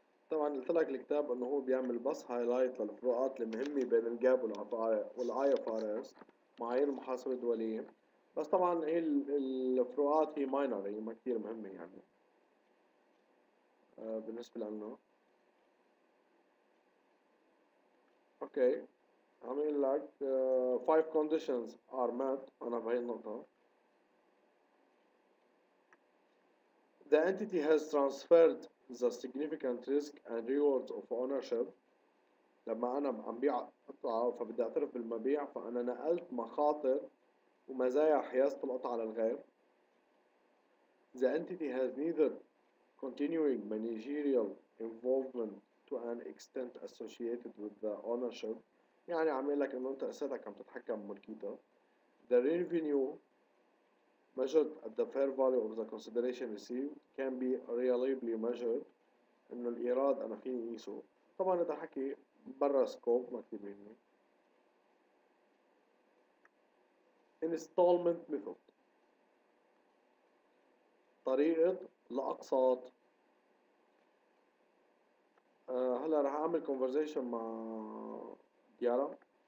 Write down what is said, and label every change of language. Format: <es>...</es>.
<ar>طبعاً قلت لك الكتاب انه هو بيعمل بس هايلايت للفروقات المهمة بين الجاب والـ IFRS معايير المحاسبة الدولية، بس طبعاً هي الفروقات هي minor، هي ما كثير مهمة يعني بالنسبة لنا. اوكي عم يقول لك 5</ar> <en>conditions are met.</en> <ar>انا بهي النقطة</ar> <en>The entity has transferred the significant risk and rewards of ownership.</en> <ar>لما أنا عم بيع قطعة فبدي أعترف بالمبيع، فأنا نقلت مخاطر ومزايا حيازة القطعة للغير.</ar> <en>The entity has neither continuing managerial involvement to an extent associated with the ownership.</en> <ar>يعني عم يقول لك إنه أنت أساتك عم تتحكم بملكيتها.</ar> <en>The revenue measured at the fair value of the consideration received can be reliably measured.</en> <ar>انه الايراد انا فيني اقيسه. طبعا هذا حكي برا سكوب مكتوبينه installment method، طريقة الأقساط. هلا رح أعمل conversation مع ديارة.</ar>